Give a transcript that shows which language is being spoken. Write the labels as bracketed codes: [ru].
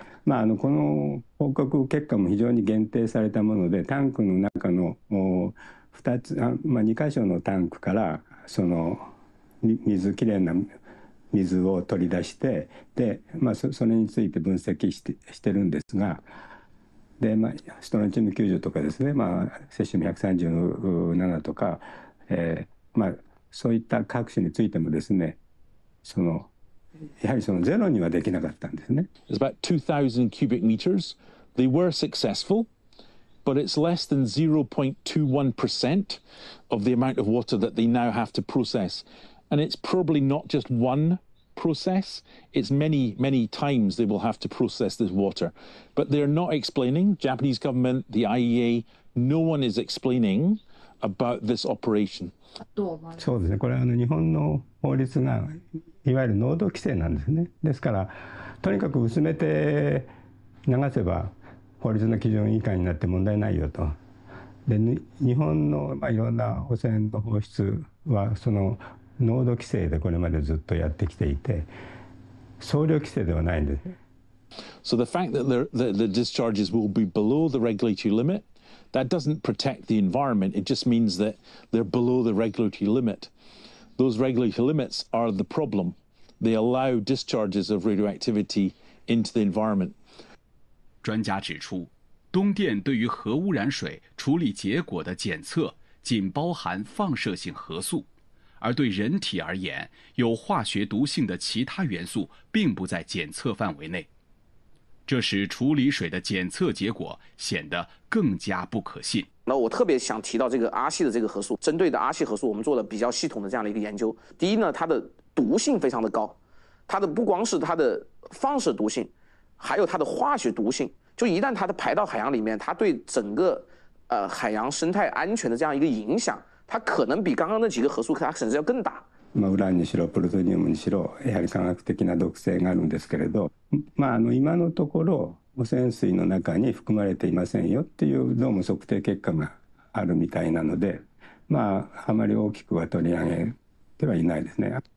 [ja] まあ、この報告結果も非常に限定されたもので、タンクの中の2箇所のタンクからその水、きれいな水を取り出して、で、まあ、それについて分析してるんですが。でまあ、ストロンチウム90とかですね、まあ、セシウム137とか、まあ、そういった各種についてもですね、そのやはりそのゼロにはできなかったんですね。 [en] It's about 2,000 cubic meters. They were successful, but it's less than 0.21% of the amount of water that they now have to process. And it's probably not just one. Process, it's many, many times they will have to process this water. But they're not explaining, Japanese government, the IEA, no one is explaining about this operation. [ja] そうですね、これは日本の法律がいわゆる濃度規制なんですね。ですから、とにかく薄めて流せば法律の基準以下になって問題ないよと。で、日本のまあいろんな汚染の放出はその濃度規制でこれまでずっとやってきていて、総量規制ではないんです。 [en] So the fact that the discharges will be below the regulatory limit, that doesn't protect the environment. It just means that they're below the regulatory limit. Those regulatory limits are the problem. They allow discharges of radioactivity into the environment. [zh] 专家指出，东电对于核污染水处理结果的检测仅包含放射性核素。而对人体而言，有化学毒性的其他元素并不在检测范围内，这使处理水的检测结果显得更加不可信。那我特别想提到这个阿系的这个核素，针对的阿系核素，我们做了比较系统的这样的一个研究。第一呢，它的毒性非常的高，它的不光是它的放射毒性，还有它的化学毒性。就一旦它的排到海洋里面，它对整个海洋生态安全的这样一个影响。它可能比刚刚那几个核素它甚至要更大。 [ja] まあウランにしろプルトニウムにしろやはり化学的な毒性があるんですけれど、まあ今のところ汚染水の中に含まれていませんよっていうどうも測定結果があるみたいなので、まああまり大きくは取り上げてはいないですね。